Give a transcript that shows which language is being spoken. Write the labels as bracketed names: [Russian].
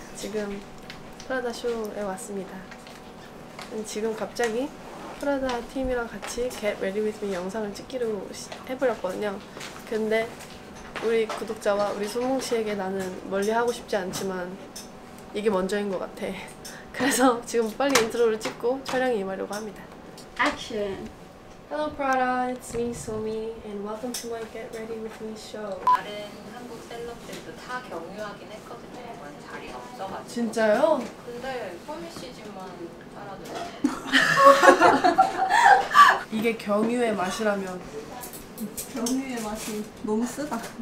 [Korean] 지금 프라다 쇼에 왔습니다. 지금 갑자기 프라다 팀이랑 같이 Get Ready With Me 영상을 찍기로 해버렸거든요. 근데 우리 구독자와 우리 솜씨에게 나는 멀리 하고 싶지 않지만 이게 먼저인 것 같아. 그래서 지금 빨리 인트로를 찍고 촬영에 임하려고 합니다. [English] Action! Hello Prada, it's me, Somi, and welcome to my Get Ready With Me show. [Korean] 다른 한국 셀럽들도 다 경유하긴 했거든요. 이번에 자리가 없어가지고. 진짜요? 근데 소미 씨집만 따라도 이게 경유의 맛이라면 경유의 맛이 너무 쓰다.